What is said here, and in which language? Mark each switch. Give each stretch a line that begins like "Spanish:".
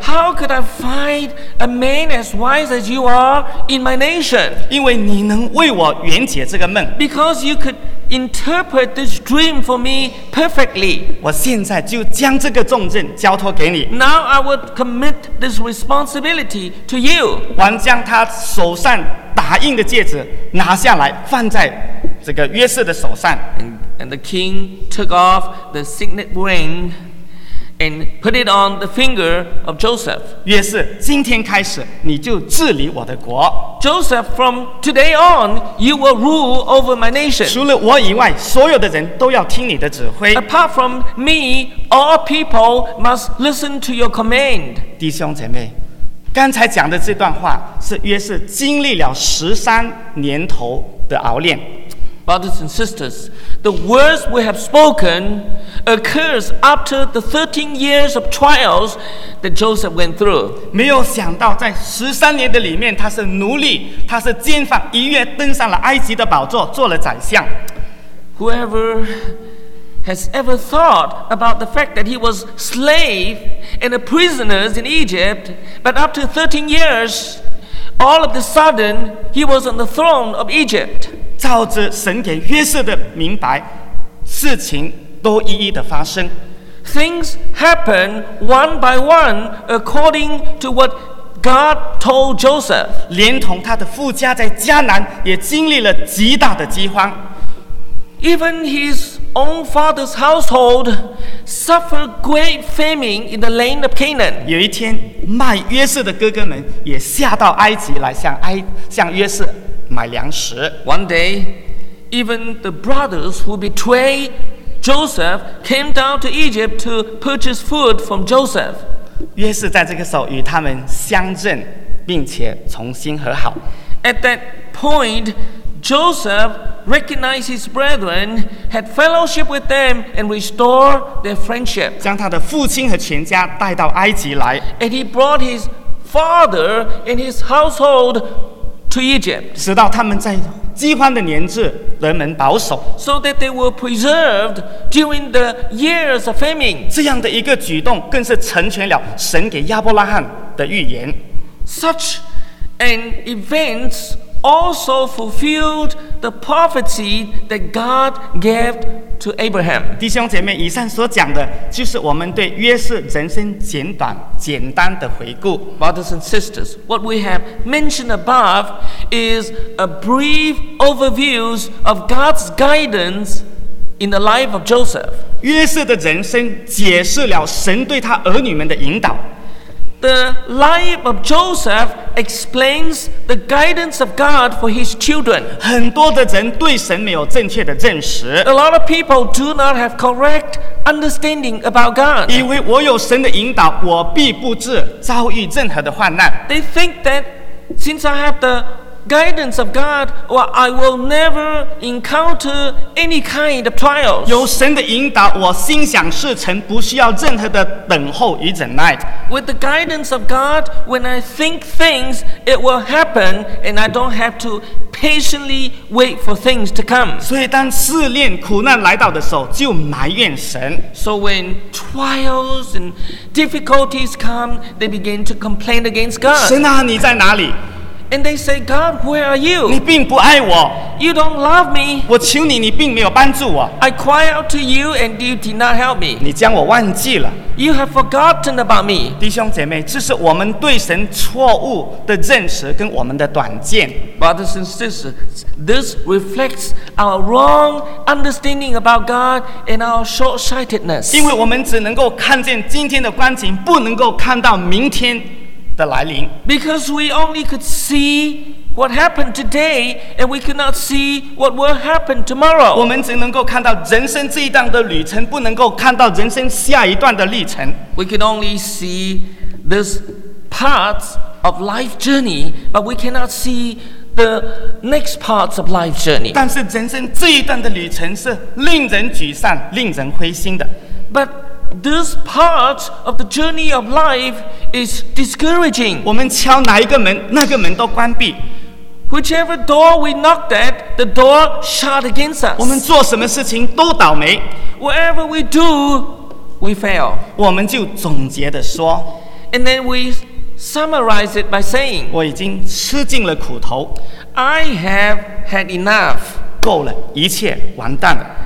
English: How could I find a man as wise as you are in my nation?
Chinese: 因为你能为我圆解这个梦。
English: Because you could interpret this dream for me perfectly.
Chinese: 我现在就将这个重任交托给你。
English: Now I would commit this responsibility to you.
Chinese: 王将他手上打印的戒指拿下来，放在这个约瑟的手上。
English: And the king took off the signet ring and put it on the finger of Joseph.
Chinese: 约瑟，今天开始你就治理我的国。
English: Joseph, from today on, you will rule over my nation.
Chinese: 除了我以外，所有的人都要听你的指挥。
English: Apart from me, all people must listen to your command.
Chinese: 弟兄姐妹，刚才讲的这段话是约瑟经历了13年头的熬炼。
English: Brothers and sisters, the words we have spoken occurs after the 13 years of trials that Joseph went through.
Chinese: 没有想到在13年的里面，他是奴隶，他是奸犯，一跃登上了埃及的宝座，做了宰相。
English: Whoever has ever thought about the fact that he was slave and a prisoner in Egypt, but after 13 years, all of a sudden, he was on the throne of Egypt.
Chinese: 照着神给约瑟的明白，事情都一一的发生。
English: Things happen one by one according to what God told Joseph.
Chinese: 连同他的父家在迦南也经历了极大的饥荒。
English: Even his own father's household suffered great famine in the land of Canaan.
Chinese: 有一天，卖约瑟的哥哥们也下到埃及来向约瑟买粮食。
English: One day, even the brothers who betrayed Joseph came down to Egypt to purchase food from Joseph.
Chinese: 约瑟在这个时候与他们相认，并且重新和好。
English: At that point, Joseph recognized his brethren, had fellowship with them, and restored their friendship.
Chinese: 将他的父亲和全家带到埃及来。
English: And he brought his father and his household to Egypt.
Chinese: 直到他们在饥荒的年至，人们保守。
English: So that they were preserved during the years of famine.
Chinese: 这样的一个举动更是成全了神给亚伯拉罕的预言。
English: Such And events also fulfilled the prophecy that God gave to Abraham.
Chinese: 弟兄姐妹，以上所讲的就是我们对约瑟人生简短、简单的回顾。
English: Brothers and sisters, what we have mentioned above is a brief overview of God's guidance in the life of Joseph.
Chinese: 约瑟的人生解释了神对他儿女们的引导。
English: The life of Joseph explains the guidance of God for his children.
Chinese: 很多的人对神没有正确的认识。
English: A lot of people do not have correct understanding about God.
Chinese: 以为我有神的引导，我必不致遭遇任何的患难。
English: They think that since I have the guidance of God, well, I will never encounter any kind of trials.
Chinese: 有神的引导，我心想事成，不需要任何的等候与忍耐。
English: With the guidance of God, when I think things, it will happen, and I don't have to patiently wait for things to come.
Chinese: 所以当试炼苦难来到的时候，就埋怨神。
English: So when trials and difficulties come, they begin to complain against God.
Chinese: 神啊，你在哪里？
English: And they say, God, where are you?
Chinese: 你并不爱我。
English: You don't love me.
Chinese: 我求你，你并没有帮助我。
English: I cry out to you, and you did not help me.
Chinese: 你将我忘记了。
English: You have forgotten about me.
Chinese: 弟兄姐妹，这是我们对神错误的认识跟我们的短见。
English: Brothers and sisters, this reflects our wrong understanding about God and our short-sightedness.
Chinese: 因为我们只能够看见今天的光景，不能够看到明天。
English: Because we only could see what happened today, and we could not see what will happen tomorrow.
Chinese: 我们只能够看到人生这一段的旅程，不能够看到人生下一段的历程。
English: We can only see this part of life journey, but we cannot see the next part of life journey.
Chinese: 但是人生这一段的旅程是令人沮丧、令人灰心的。
English: But this part of the journey of life is discouraging.
Chinese: 我们敲哪一个门，那个门都关闭。
English: Whichever door we knocked at, the door shut against us.
Chinese: 我们做什么事情都倒霉。
English: Whatever we do, we fail.
Chinese: 我们就总结地说。
English: And then we summarize it by saying,
Chinese: 我已经吃尽了苦头。
English: I have had enough.
Chinese: 够了，一切完蛋了。